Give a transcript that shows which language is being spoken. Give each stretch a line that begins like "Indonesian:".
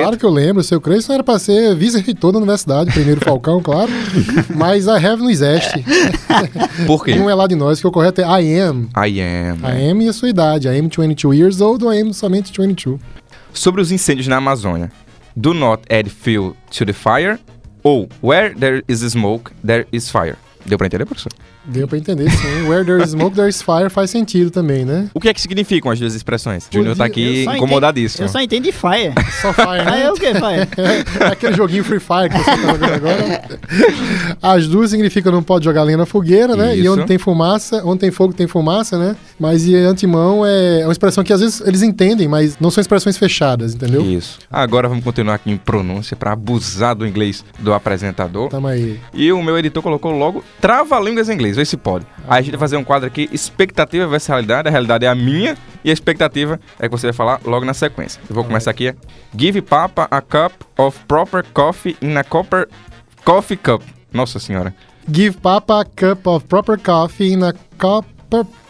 Portuguese: Claro que eu lembro. Seu Creyson era para ser vice-reitor da universidade, primeiro Falcão, claro. Mas
English: I have
Portuguese: não existe. Por quê? Não é lá de nós, que o correto é
English: I am. I am. I am
Portuguese: e a sua idade.
English: I am 22 years old ou I am
Portuguese: somente
English: 22.
Portuguese: Sobre os incêndios na Amazônia.
English: Do not add fuel to the fire ou where there is smoke, there is fire.
Portuguese: Deu para entender, professor? Deu para entender, sim.
English: Where there is smoke, there is fire
Portuguese: faz sentido também, né? O que é que significam as duas expressões? Júnior tá aqui incomodadíssimo. Eu só entendi fire. Só fire, né? Ah, é o quê, fire? É aquele joguinho Free Fire que você tá jogando agora. As duas significam não pode jogar lenha na fogueira, né? Isso. E onde tem fumaça, onde tem fogo tem fumaça, né? Mas e antemão é uma expressão que às vezes eles entendem, mas não são expressões fechadas, entendeu? Isso. Agora vamos continuar aqui em pronúncia para abusar do inglês do apresentador. Tamo aí. E o meu editor colocou logo trava-línguas em inglês. Vê se pode. Aí a gente vai fazer um quadro aqui, expectativa versus realidade. A realidade é a minha e a expectativa é que você vai falar logo na sequência. Eu vou começar aqui.
English: Give Papa a cup of proper coffee in a copper coffee cup.
Portuguese: Nossa senhora.
English: Give Papa a cup of proper coffee in a copper...